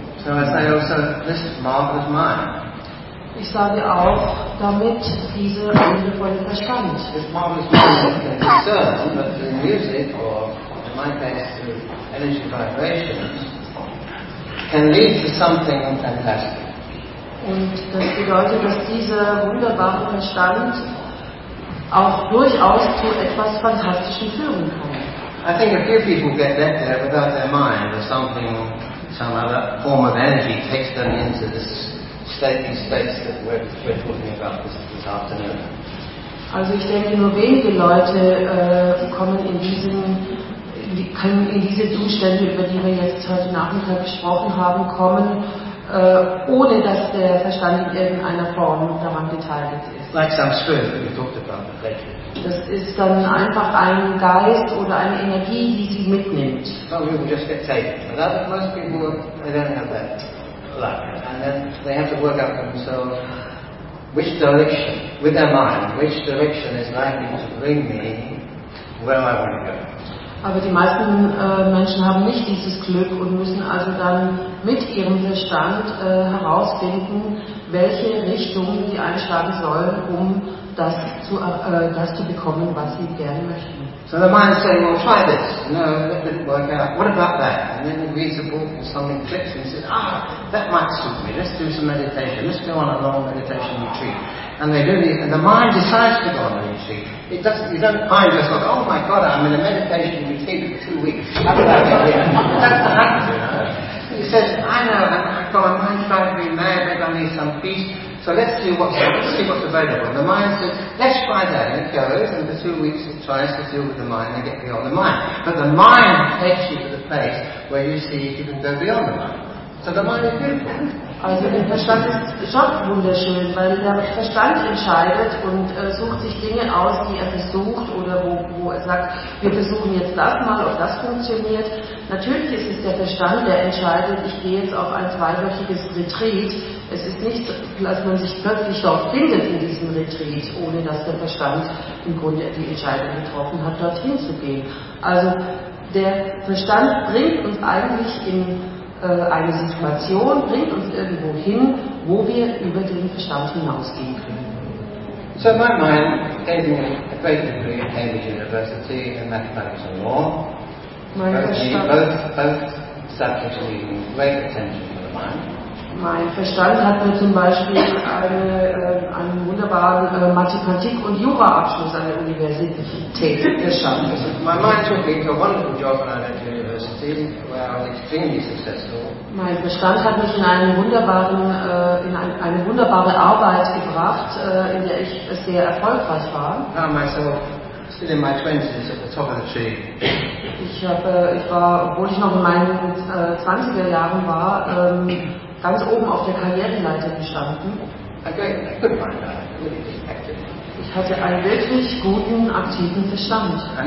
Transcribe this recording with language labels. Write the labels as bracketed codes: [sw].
[en] So I say also This Marvelous Mind. [de] Ich sage auch damit diese wundervolle Verstand. [en] This marvelous mind can be discerned, but the music, or in my case, the energy vibrations, can lead to something fantastic. [de] Und das bedeutet, dass dieser wunderbare Verstand auch durchaus zu etwas Fantastischem führen kann. [en] I think a few people get that there without their mind, or something, some other form of energy takes them into this state that we're talking about this afternoon. [de] Also ich denke, nur wenige Leute können in diese Zustände, über die wir jetzt heute Nachmittag gesprochen haben, kommen, ohne dass der Verstand in irgendeiner Form daran beteiligt ist. [en] Like some spirit that we talked about. [de] Das ist dann einfach ein Geist oder eine Energie, die sie mitnimmt. [en] Well, we will just get taken. But that, most people, they don't have that. And then they have to work out for themselves which direction, with their mind, which direction is likely to bring me where I want to go. [de] Aber die meisten Menschen haben nicht dieses Glück und müssen also dann mit ihrem Verstand herausfinden, welche Richtung sie einschlagen sollen, um das zu bekommen, was sie gerne möchten. [en] So the mind is saying, well, try this. No, that didn't work out. What about that? And then he reads a book and something clicks and he says, ah, that might suit me. Let's do some meditation. Let's go on a long meditation retreat. And they do these, and the mind decides to go on a retreat. You don't find yourself, oh my God, I'm in a meditation retreat for 2 weeks. How about that? That's what happens, you know. He says, I know, my mind's trying to be mad, maybe I need some peace. So let's see what's available. And the mind says, let's try that. And it goes, and for 2 weeks it tries to deal with the mind and get beyond the mind. But the mind takes you to the place where you see you can go beyond the mind. So the mind is beautiful. [de] Also der Verstand ist schon wunderschön, weil der Verstand entscheidet und sucht sich Dinge aus, die er versucht oder wo er sagt, wir versuchen jetzt das mal, ob das funktioniert. Natürlich ist es der Verstand, der entscheidet, ich gehe jetzt auf ein zweiwöchiges Retreat. Es ist nicht, dass man sich plötzlich dort findet in diesem Retreat, ohne dass der Verstand im Grunde die Entscheidung getroffen hat, dorthin zu gehen. Also der Verstand bringt uns eigentlich in eine Situation, bringt uns irgendwo hin, wo wir über den Verstand hinausgehen können. [en] So my mind gave me a great degree at Cambridge University in mathematics and law. [de] Mein [en] both subjects needing great attention for the mind. [de] Mein Verstand hat mir zum Beispiel einen wunderbaren Mathematik- und Jura-Abschluss an der Universität geschaffen. [en] My mind took me to a wonderful job when I went to university, where I was extremely successful. [de] Mein Verstand hat mich in eine wunderbare Arbeit gebracht, in der ich sehr erfolgreich war. [en] Now myself, still in my 20s, at the top of the tree. [de] Ich war, obwohl ich noch in meinen 20er Jahren war, ganz oben auf der Karriereleiter gestanden. Ich hatte einen wirklich guten, aktiven Verstand.